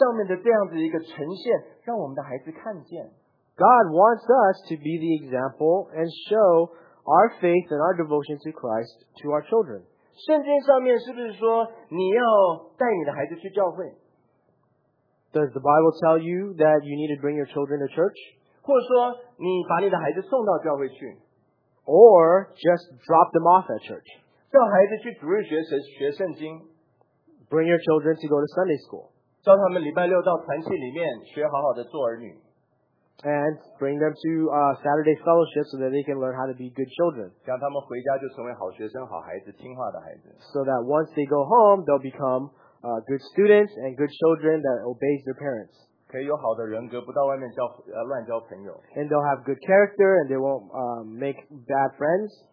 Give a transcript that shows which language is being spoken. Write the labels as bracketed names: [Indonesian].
[Chinese] 神要我们将我们对神的敬爱，生命上面的这样子一个呈现，让我们的孩子看见。 [English] God wants us to be the example and show our faith and our devotion to Christ to our children. [Chinese] 圣经上面是不是说你要带你的孩子去教会？ [English] Does the Bible tell you that you need to bring your children to church? [Chinese] 或者说你把你的孩子送到教会去？ [English] Or just drop them off at church? [Chinese] 叫孩子去主日学圣经。 [English] Bring your children to go to Sunday school. [Chinese] 叫他们礼拜六到团契里面学好好的做儿女。 [English] And bring them to Saturday fellowship so that they can learn how to be good children. So that once they go home, they'll become good students and good children that obeys their parents. [Chinese] 可以有好的人格，不到外面交乱交朋友。 [English] And they'll have good character and they won't make bad friends.